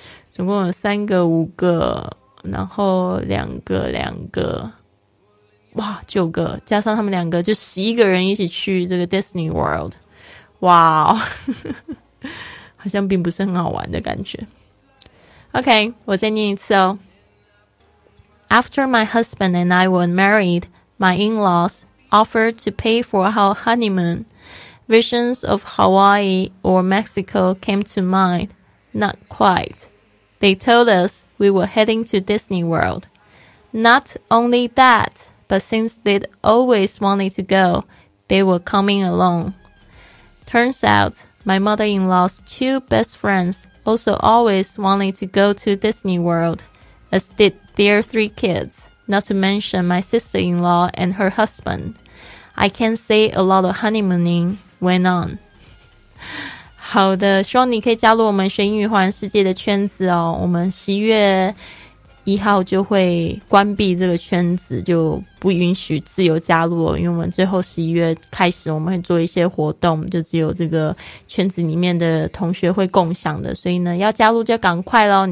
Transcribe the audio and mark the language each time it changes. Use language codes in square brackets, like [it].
[zh] 总共有三个五个，然后两个两个，哇，九个，加上他们两个就11个人一起去这个 Disney World。哇，好像并不是很好玩的感觉。 OK， 我再念一次哦。 [en] After my husband and I were married, my in-laws offered to pay for our honeymoon. Visions of Hawaii or Mexico came to mind. Not quite. They told us we were heading to Disney World. Not only that, but since they'd always wanted to go, they were coming along. Turns out my mother-in-law's two best friends also always wanted to go to Disney World, as did their three kids, not to mention my sister-in-law and her husband. I can't say a lot of honeymooning went on. [zh] 好的，希望你可以加入我们学英语环游世界的圈子哦。我们11月1号就会关闭这个圈子，就不允许自由加入了，因为我们最后11月开始我们会做一些活动，就只有这个圈子里面的同学会共享的，所以呢要加入就赶快咯。